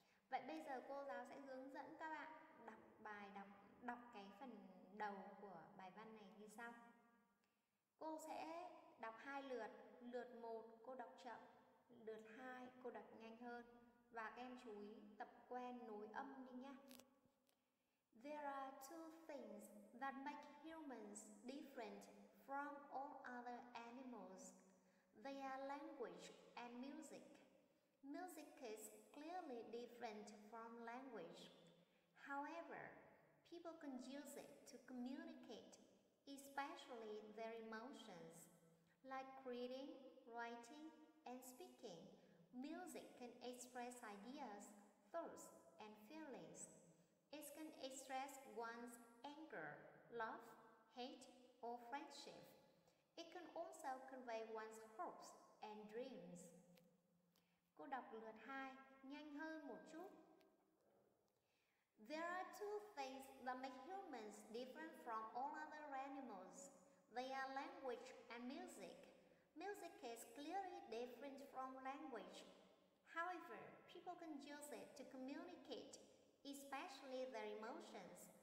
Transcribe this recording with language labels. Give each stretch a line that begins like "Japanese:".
Vietnamese: Vậy bây giờ cô giáo sẽ hướng dẫn các bạn đọc bài, đọc cái phần đầu của bài văn này như sau. Cô sẽ đọc 2 lượt. Lượt 1 cô đọc chậm, lượt 2 cô đọc nhanh hơn. và các em chú ý tập quen nối âm đi nhé.
English: There are two things that make humans different from all other animals. They are language and music. Music is clearly different from language. However, people can use it to communicate, especially their emotions. Like reading, writing, and speaking, music can express ideas, thoughts, and feelings. It can express one's anger, love, hate, or friendship. It can also convey one's hopes and dreams.
Vietnamese: Cô đọc lượt 2, nhanh hơn một chút.
English: There are two things that make humans different from all other animals. They are language and music. Music is clearly different from language. However, people can use it to communicate, especially their emotions.